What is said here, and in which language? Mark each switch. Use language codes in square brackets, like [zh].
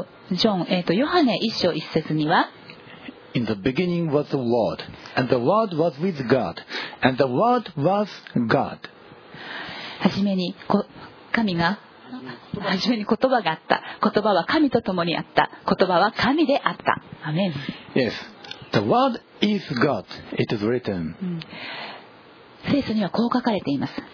[ja] ジョン、ヨハネ一章一節には。 [en] In the beginning was the Word, and the Word was with God, and the Word was God. [ja] 初めに神が、初めに言葉があった。言葉は神と共にあった。言葉は神であった。アメン。 [en] Yes, the Word is God. It is written. [ja] 聖書にはこう書かれています。